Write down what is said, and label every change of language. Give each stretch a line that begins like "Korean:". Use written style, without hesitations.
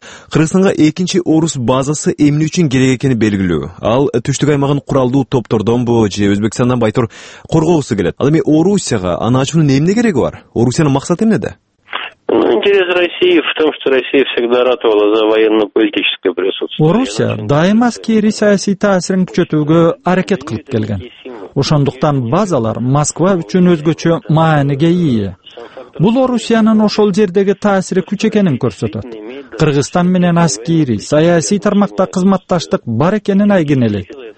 Kyrgyz: Кыргызстанга экинчи орус базасы эмне үчүн керек экени белгилүү. Ал түштүк аймагын куралдуу топтордонбу же Өзбекстандан байтор коргогусу келет? Ал эми Орусияга аны ачуунун эмне кереги бар? Орусиянын максаты эмнеде?
Russian: Интерес России в том, что Россия всегда ратовала за военно-политическое присутствие.
Kyrgyz: Орусия дайым аскерий саясий таасирин күчөтүүгө аракет кылып келген. Ошондуктан базалар Москва үчүн өзгөчө мааниге ээ. Бул Орусиянын ошол жердеги таасири күч экенин көрсөтөт. Кыргызстан менен аскерий саясий тармакта кызматташтык бар экенин айгинелейт.